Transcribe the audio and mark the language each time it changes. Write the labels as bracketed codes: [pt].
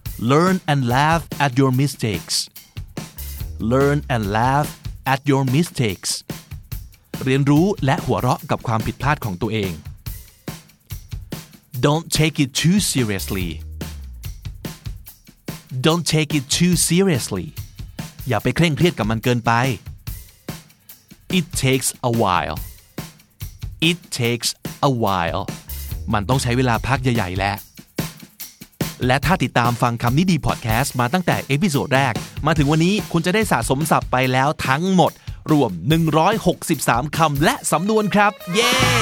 [en] Learn and laugh at your mistakes Learn and laugh at your mistakes [th] เรียนรู้และหัวเราะกับความผิดพลาดของตัวเอง [en] Don't take it too seriously. Don't take it too seriously. [th] อย่าไปเคร่งเครียดกับมันเกินไป [en] It takes a while. It takes a while. [th] มันต้องใช้เวลาพักใหญ่ๆแล้วและถ้าติดตามฟังคำนี้ดีพอดแคสต์มาตั้งแต่เอพิโซดแรกมาถึงวันนี้คุณจะได้สะสมศัพท์ไปแล้วทั้งหมดรวม163คำและสำนวนครับเย้